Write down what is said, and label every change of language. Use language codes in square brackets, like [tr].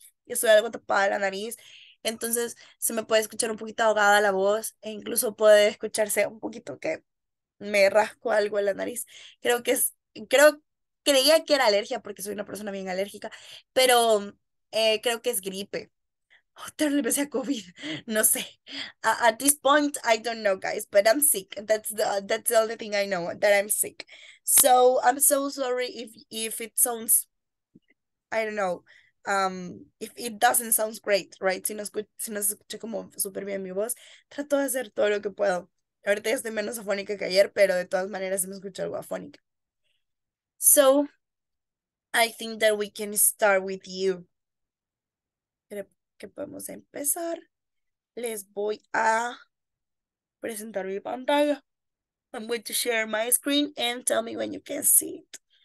[es] Estoy algo tapada la nariz, entonces se me puede escuchar un poquito ahogada la voz e incluso puede escucharse un poquito que me rasco algo en la nariz. Creía que era alergia porque soy una persona bien alérgica, pero creo que es gripe. O tal vez sea COVID, no sé. [en] At this point, I don't know, guys, but I'm sick. That's the only thing I know, that I'm sick. So I'm so sorry if it sounds, I don't know, if it doesn't sound great, right? [es] Si no escuché como súper bien mi voz, trato de hacer todo lo que puedo. Ahorita ya estoy menos afónica que ayer, pero de todas maneras se me escucha algo afónica. [en] So, I think that we can start with you. [es] Creo que podemos empezar. Les voy a presentar mi pantalla. [en] I'm going to share my screen and tell me when you can see it.